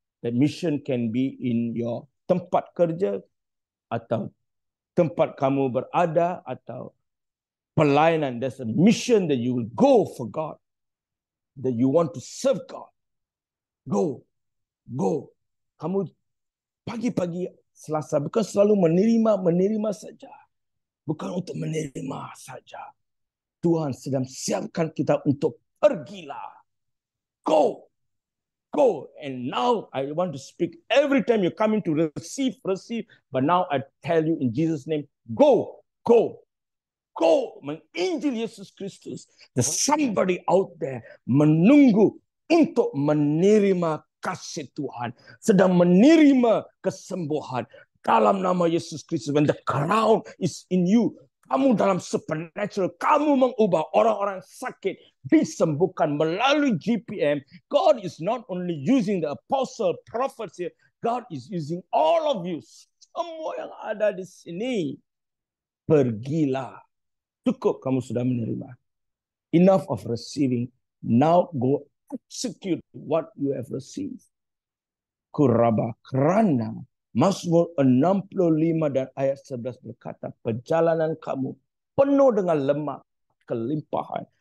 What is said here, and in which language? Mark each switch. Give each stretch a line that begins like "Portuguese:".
English: That mission can be in your
Malay: tempat kerja, atau tempat kamu berada, atau pelayanan.
English: There's a mission that you will go for God, that you want to serve God.
Malay: Go. Kamu pagi-pagi Selasa, bukan selalu menerima saja. Bukan untuk menerima saja. Tuhan sedang siapkan kita untuk pergilah.
English: Go. And now I want to speak every time you come in to receive. But now I tell you in Jesus' name, go.
Malay: Go, menginjil Yesus Kristus.
English: There's somebody out there
Malay: menunggu untuk menerima kasih Tuhan, sedang menerima kesembuhan dalam nama Yesus Kristus.
English: When the crown is in you,
Malay: Kamu dalam supernatural, kamu mengubah orang-orang sakit, disembuhkan melalui GPM.
English: God is not only using the apostle, prophets here. God is using all of you.
Malay: Semua yang ada di sini, pergilah. Cukup kamu sudah menerima.
English: Enough of receiving. Now go execute what you have received.
Malay: Kuraba kerana Mazmur 65 dan ayat 11 berkata, perjalanan kamu penuh dengan lemak kelimpahan.